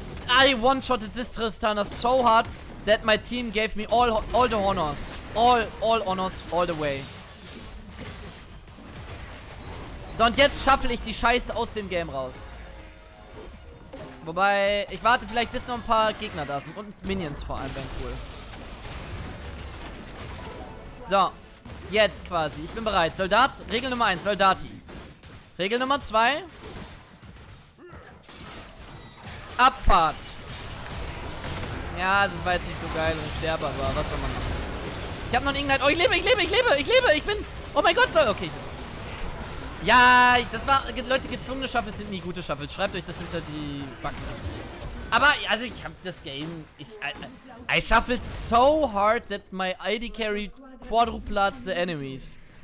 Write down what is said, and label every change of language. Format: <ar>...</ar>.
<en>I one-shotted this Tristana so hard. That my team gave me all the honors. All honors, all the way.</en> <de>So, und jetzt shuffle ich die Scheiße aus dem Game raus. Wobei, ich warte vielleicht, bis noch ein paar Gegner da sind. Und Minions vor allem wären cool. So. Jetzt quasi. Ich bin bereit. Soldat. Regel Nummer 1. Soldati. Regel Nummer 2. Abfahrt. Ja, das war jetzt nicht so geil und sterbar, aber was soll man machen? Ich habe noch einen Ignite. Oh, ich lebe, ich lebe, ich lebe, ich lebe. Ich bin. Oh mein Gott, so. Okay. Ja, das war. Leute, gezwungene Shuffles sind nie gute Shuffles. Schreibt euch das hinter die Backen. Aber, also, ich habe das Game.</de> <en>I shuffled so hard that my ID carry quadrupled the enemies.</en>